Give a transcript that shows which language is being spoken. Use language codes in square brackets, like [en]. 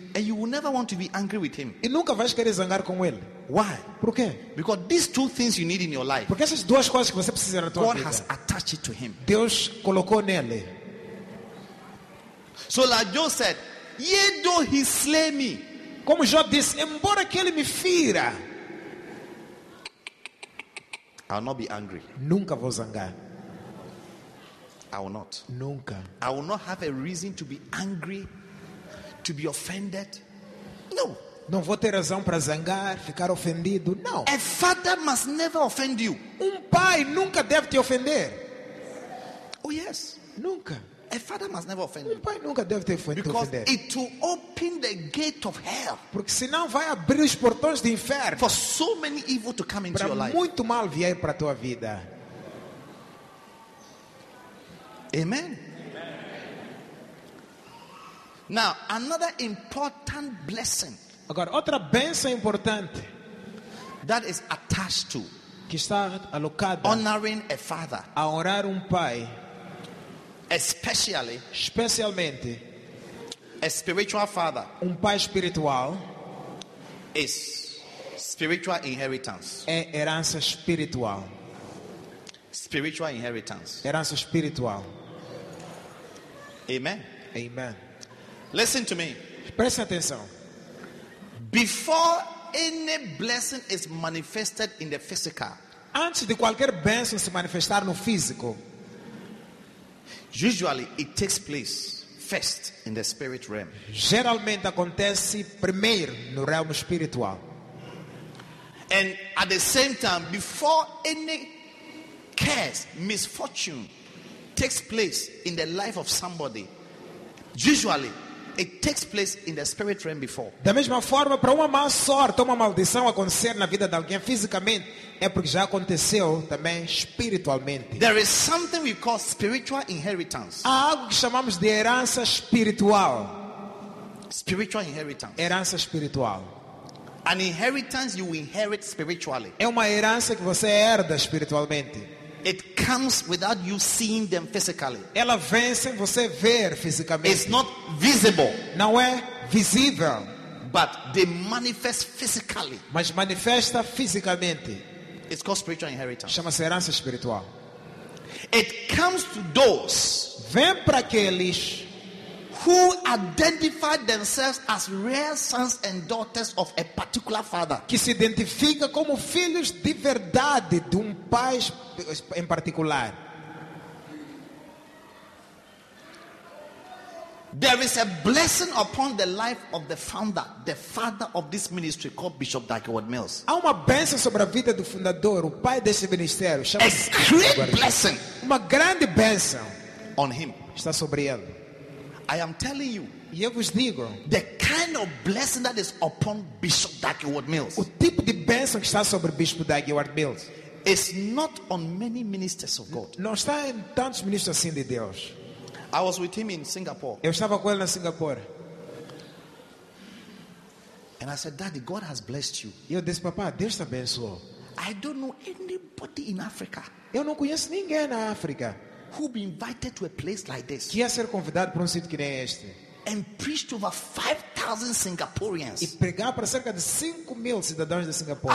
[en] and you will never want to be angry with him. [pt] E nunca vais querer zangar com ele. [en] Why? [pt] Por quê? [en] Because these two things you need in your life. [pt] Porque essas duas coisas que você precisa na tua [en] God [pt] vida. [en] Has attached it to him. [pt] Deus colocou nele. [en] So like Job said, yea though he slay me. [pt] Como Job disse, embora que ele me fira, [en] I will not be angry. [pt] Nunca vou zangar. [en] I will not. [pt] Nunca. [en] I will not have a reason to be angry, to be offended. No. [pt] Não vou ter razão para zangar, ficar ofendido. Não. [en] A father must never offend you. [pt] Pai nunca deve te ofender. [en] Oh yes. [pt] Nunca. [en] A father must never offend you. [pt] Pai nunca deve te ofender. [en] Because it will open the gate of hell. [pt] Porque senão vai abrir os portões do inferno. [en] For so many evil to come into your life. [pt] Para muito mal vier para tua vida. [en] Amen. Now, another important blessing. [pt] Agora, outra bênção importante [en] that is attached to, [pt] que está alocada, [en] honoring a father, [pt] a honrar pai, [en] especially, [pt] especialmente, [en] a spiritual father, [pt] pai espiritual, [en] is spiritual inheritance, [pt] é herança espiritual, [en] spiritual inheritance, [pt] herança espiritual. [en] Amen. Amen. Listen to me. [pt] Preste atenção. [en] Before any blessing is manifested in the physical, [pt] antes de qualquer bênção se manifestar no físico, [en] usually it takes place first in the spirit realm. [pt] Geralmente acontece primeiro no realm espiritual. [en] And at the same time, before any curse, misfortune takes place in the life of somebody, usually it takes place in the spirit realm before. [pt] Da mesma forma, para uma má sorte, uma maldição acontecer na vida de alguém fisicamente, é porque já aconteceu também espiritualmente. [en] There is something we call spiritual inheritance. [pt] Há algo que chamamos de herança espiritual. [en] Spiritual inheritance. [pt] Herança espiritual. [en] An inheritance you inherit spiritually. [pt] É uma herança que você herda espiritualmente. [en] It comes without you seeing them physically. [pt] Ela vem sem você ver fisicamente. [en] It's not visible. [pt] Não é visível. [en] But they manifest physically. [pt] Mas manifesta fisicamente. [en] It's called spiritual inheritance. [pt] Chama-se herança espiritual. [en] It comes to those. [pt] Vem para aqueles [en] who identify themselves as real sons and daughters of a particular father. [pt] Que se identifica como filhos de verdade de pai em particular. [en] There is a blessing upon the life of the founder, the father of this ministry called Bishop Dagwood Mills. [pt] Há uma bênção sobre a vida do fundador, o pai desse ministério, [en] a great blessing. [pt] Uma grande bênção [en] on him. [pt] Está sobre ele. [en] I am telling you, [pt] eu vos digo, [en] the kind of blessing that is upon Bishop Dagwood Mills. [pt] O tipo de bênção que está sobre Bispo Dagwood Mills [en] is not on many ministers of God. [pt] Não está em tantos ministros assim de Deus. [en] I was with him in Singapore. [pt] Eu estava com ele na Singapura. [en] And I said, Daddy, God has blessed you. [pt] Eu disse, papá, Deus te abençoou. [en] I don't know anybody in Africa. [pt] Eu não conheço ninguém na África. [en] Who be invited to a place like this? [pt] Que ia ser convidado para sítio que nem este? [en] And preached over 5,000. 5,000 Singaporeans. [pt] E pregar para cerca de 5,000 cidadãos de Singapore.